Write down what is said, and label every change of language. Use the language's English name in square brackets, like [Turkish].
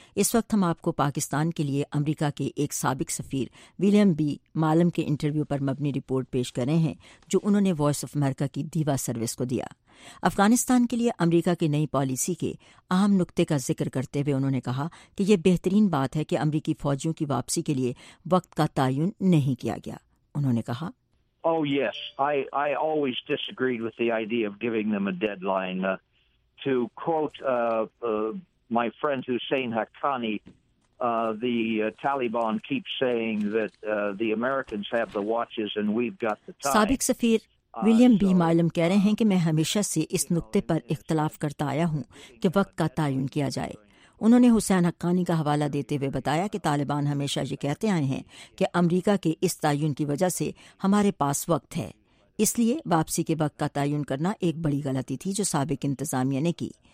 [Urdu] اس وقت ہم آپ کو پاکستان کے لیے امریکہ کے ایک سابق سفیر ولیم بی مالم کے انٹرویو پر مبنی رپورٹ پیش کر رہے ہیں جو انہوں نے وائس آف امریکہ کی دیوا سروس کو دیا. افغانستان کے لیے امریکہ کی نئی پالیسی کے اہم نقطے کا ذکر کرتے ہوئے انہوں نے کہا کہ یہ بہترین بات ہے کہ امریکی فوجیوں کی واپسی کے لیے وقت کا تعین نہیں کیا گیا. انہوں نے کہا [English] Oh yes, I always disagreed with the idea of giving them a deadline. To quote my friend Hussein Haqqani, Taliban keep saying that the Americans have the watches and we've got the time. [Urdu] سابق سفیر William be مائلم کہہ رہے ہیں کہ میں ہمیشہ سے اس نقطے پر اختلاف کرتا آیا ہوں کہ وقت کا تعین کیا جائے. انہوں نے حسین حقانی کا حوالہ دیتے ہوئے بتایا کہ طالبان ہمیشہ یہ کہتے آئے ہیں کہ امریکہ کے اس تعین کی وجہ سے ہمارے پاس وقت ہے، اس لیے واپسی کے وقت کا تعین کرنا ایک بڑی غلطی تھی جو سابق انتظامیہ نے کی.